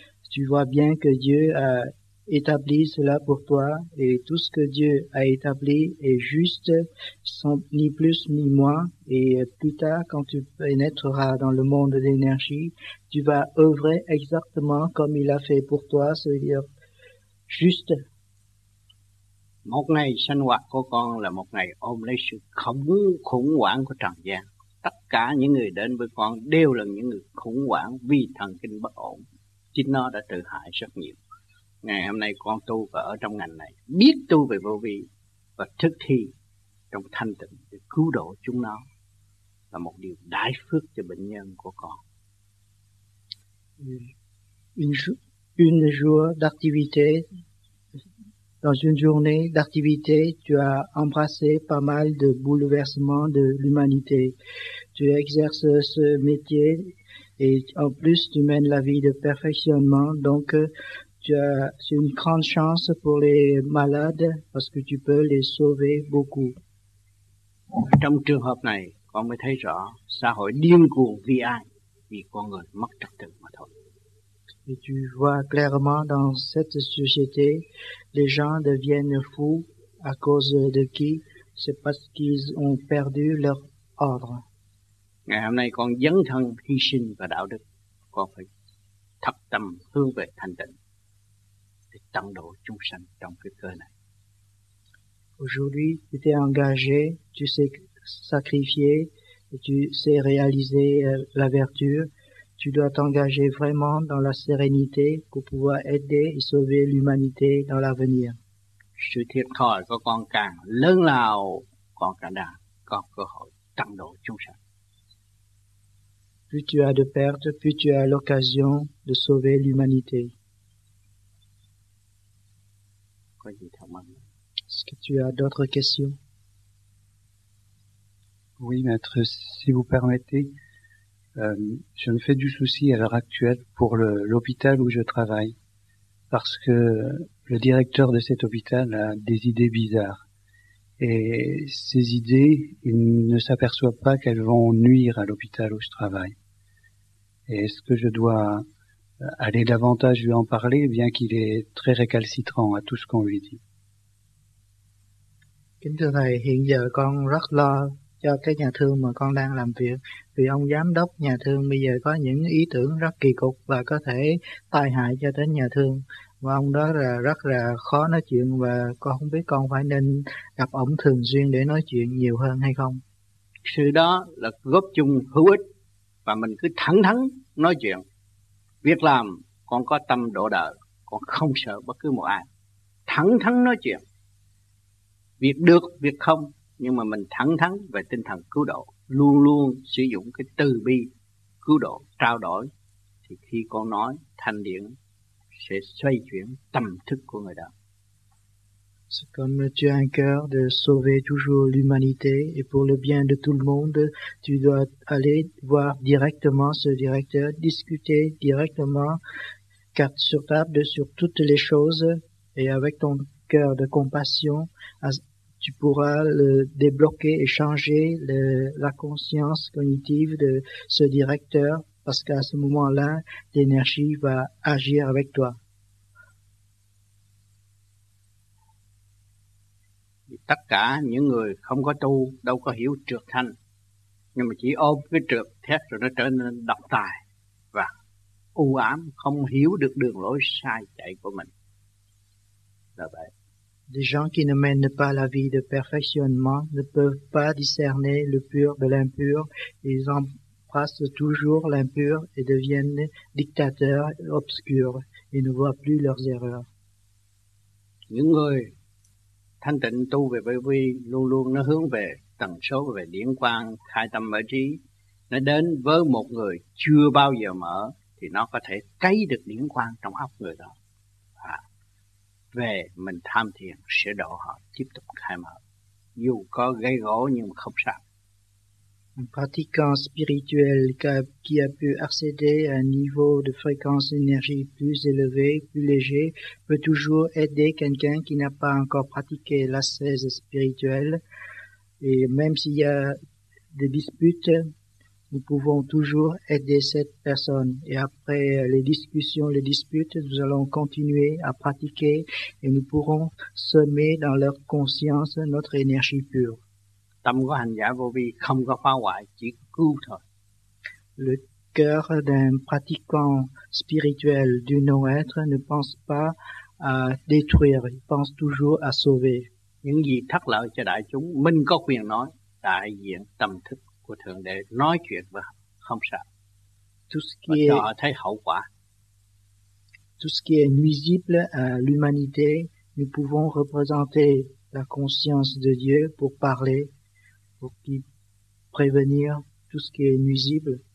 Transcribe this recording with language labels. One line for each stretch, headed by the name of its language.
French: Tu vois bien que Dieu a établi cela pour toi et tout ce que Dieu a établi est juste, sans ni plus ni moins. Et plus tard, quand tu pénétreras dans le monde d'énergie, tu vas œuvrer exactement comme il a fait pour toi, c'est-à-dire juste.
Vietnamese: Một ngày sinh hoạt của con là một ngày ôm lấy sự khủng hoảng của trần gian. Tất cả những người đến với con đều là những người khủng hoảng vì thần kinh bất ổn. Chính nó đã tự hại rất nhiều. Ngày hôm nay con tu và ở trong ngành này, biết tu về vô vi và thực thi trong thanh tịnh để cứu độ chúng nó là một điều đại phước cho bệnh nhân của con.
French: Une jour d'activité, dans une journée d'activité, tu as embrassé pas mal de bouleversements de l'humanité. Tu exerces ce métier et en plus tu mènes la vie de perfectionnement, donc c'est une grande chance pour les malades parce que tu peux les sauver beaucoup.
Vietnamese: Trong trường hợp này, con mới thấy rõ xã hội điên cuồng vì ai? Vì con người mất trật tự mà thôi.
French: Et tu vois clairement dans cette société, les gens deviennent fous à cause de qui? C'est parce qu'ils ont perdu leur ordre.
Vietnamese: Ngày hôm nay, con dấn thân hy sinh và đạo đức. Con phải thập tâm hướng về thanh tịnh để tăng độ chúng sanh trong cái cơ này.
French: Aujourd'hui, tu t'es engagé, tu sais sacrifié, et tu sais réaliser la vertu. Tu dois t'engager vraiment dans la sérénité pour pouvoir aider et sauver l'humanité dans l'avenir.
Vietnamese: Sự thiệt thòi của con càng lớn lao, con càng đạt có cơ hội tăng độ chúng sanh.
French: Plus tu as de pertes, plus tu as l'occasion de sauver l'humanité. Est-ce que tu as d'autres questions? Oui, maître, si vous permettez, je me fais du souci à l'heure actuelle pour l'hôpital où je travaille, parce que le directeur de cet hôpital a des idées bizarres. Et ces idées, il ne s'aperçoit pas qu'elles vont nuire à l'hôpital où je travaille. Et est-ce que je dois aller davantage lui en parler, bien qu'il est très récalcitrant à tout ce qu'on lui dit?
Vietnamese: Kính thưa thầy, hiện giờ con rất lo cho cái nhà thương mà con đang làm việc, vì ông giám đốc nhà thương bây giờ có những ý tưởng rất kỳ cục và có thể tai hại cho đến nhà thương, và ông đó là rất là khó nói chuyện, và con không biết con phải nên gặp ông thường xuyên để nói chuyện nhiều hơn hay không. Sự đó là góp chung hữu ích, và mình cứ thẳng thắn nói chuyện. Việc làm, con có tâm độ đời, con không sợ bất cứ một ai. Thẳng thắn nói chuyện. Việc được, việc không, nhưng mà mình thẳng thắn về tinh thần cứu độ, luôn luôn sử dụng cái từ bi cứu độ, trao đổi, thì khi con nói, thanh điển sẽ xoay chuyển tâm thức của người đó.
French: C'est comme tu as un cœur de sauver toujours l'humanité, et pour le bien de tout le monde, tu dois aller voir directement ce directeur, discuter directement, carte sur table, sur toutes les choses, et avec ton cœur de compassion, tu pourras le débloquer et changer la conscience cognitive de ce directeur, parce qu'à ce moment-là, l'énergie va agir avec toi.
Vietnamese: Tất cả những người không có tu đâu có hiểu trược thanh, nhưng mà chỉ ôm cái trược thét rồi nó trở nên độc tài và u ám, không hiểu được đường lối sai chạy của mình. Là vậy.
French: Les gens qui ne mènent pas la vie de perfectionnement ne peuvent pas discerner le pur de l'impur. Ils embrassent toujours l'impur et deviennent dictateurs obscurs. Ils ne voient plus leurs erreurs.
Vietnamese: Những người thanh tịnh tu về bởi vì luôn luôn nó hướng về tần số về điển quang, khai tâm mở trí. Nó đến với một người chưa bao giờ mở thì nó có thể cấy được điển quang trong óc người đó. Về mình tham thiền sẽ độ họ tiếp tục khai mở, dù có gây gỗ nhưng mà không sao.
French: Un pratiquant spirituel qui a pu accéder à un niveau de fréquence d'énergie plus élevé, plus léger, peut toujours aider quelqu'un qui n'a pas encore pratiqué l'ascèse spirituelle. Et même s'il y a des disputes, nous pouvons toujours aider cette personne. Et après les discussions, les disputes, nous allons continuer à pratiquer et nous pourrons semer dans leur conscience notre énergie pure.
Vietnamese: Tâm của hành giả vô vi không có phá hoại, chỉ cứu thôi.
French: Le cœur d'un pratiquant spirituel du non-être ne pense pas à détruire, il pense toujours à sauver.
Vietnamese: Những gì thất lợi cho đại chúng, mình có quyền nói, đại diện tâm thức của Thượng Đế nói chuyện và không sợ.
French: Tout ce qui
Vietnamese: và cho họ thấy hậu quả.
French: Tout ce qui est nuisible à l'humanité, nous pouvons représenter la conscience de Dieu pour parler. Pour qui prévenir tout ce qui est nuisible.